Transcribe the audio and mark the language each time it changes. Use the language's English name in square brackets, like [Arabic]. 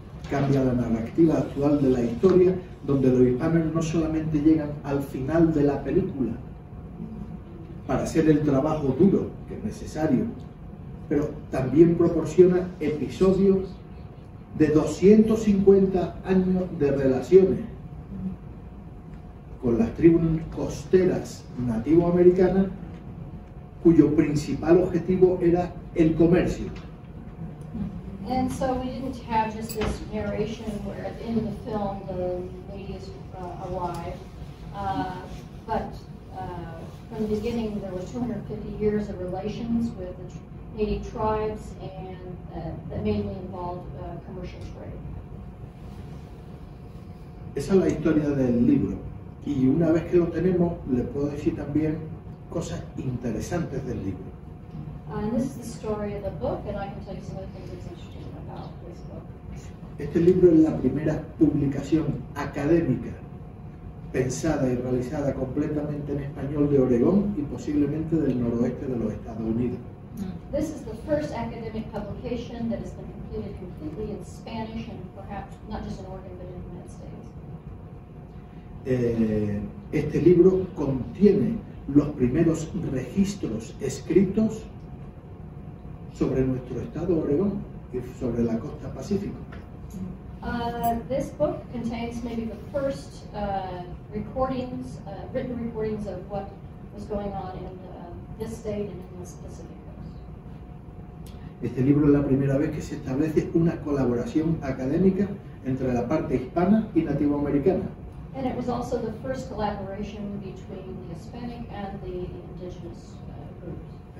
[Spanish] Cambia la narrativa actual de la historia, donde los hispanos no solamente llegan al final de la película para hacer el trabajo duro que es necesario, pero también proporciona episodios de 250 años de relaciones con las tribus costeras nativoamericanas, cuyo principal objetivo era el comercio. [English] And so we didn't have just this narration where at the end of the film the ladies arrived, but from the beginning there were 250 years of relations with the native tribes and that mainly involved commercial trade. [Spanish] Esa es la historia del libro. Y una vez que lo tenemos, le puedo decir también cosas interesantes del libro. [English] And this is the story of the book, and I can tell you some of the things that's interesting. [Spanish] Este libro es la primera publicación académica pensada y realizada completamente en español de Oregón y posiblemente del noroeste de los Estados Unidos. [English] This is the first academic publication that has been completed completely in Spanish and perhaps not just in Oregon but in the United States. [Spanish] Este libro contiene los primeros registros escritos sobre nuestro estado Oregón y sobre la costa Pacífico. [English] This book contains maybe the first recordings, written recordings of what was going on in this state and in the Pacific Coast. [Spanish] Este libro es la primera vez que se establece una colaboración académica entre la parte hispana y nativoamericana. [English] And it was also the first collaboration between the Hispanic and the indigenous groups.